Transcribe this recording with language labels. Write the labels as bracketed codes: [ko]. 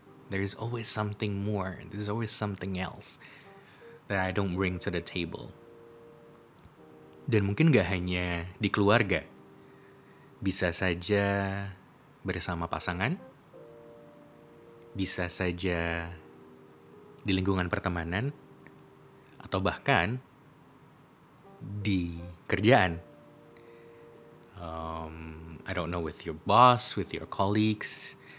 [en] There is always something more, there's always something else that I don't bring to the table. [id] Dan mungkin gak hanya di keluarga, bisa saja bersama pasangan, bisa saja di lingkungan pertemanan, atau bahkan di kerjaan. [en] I don't know, with your boss, with your colleagues.